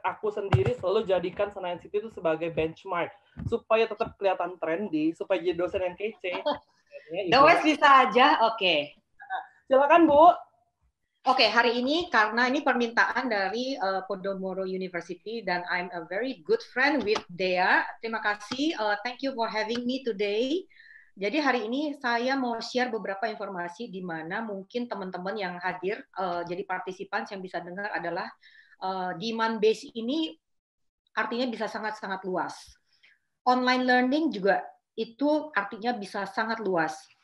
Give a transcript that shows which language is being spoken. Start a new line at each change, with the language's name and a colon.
Indonesian: Aku sendiri selalu jadikan Senayan City itu sebagai benchmark supaya tetap kelihatan trendy, supaya jadi dosen yang kece. Dewes bisa aja, oke. Okay. Silakan Bu. Oke, hari ini karena ini permintaan dari Podomoro University dan
English: I'm a very good friend with Dea.
Indonesian: Terima kasih,
English: thank you for having me today.
Indonesian: Jadi hari ini saya mau share beberapa informasi di mana mungkin teman-teman yang hadir jadi partisipan yang bisa dengar adalah demand base ini artinya bisa sangat-sangat luas. Online learning juga itu artinya bisa sangat luas.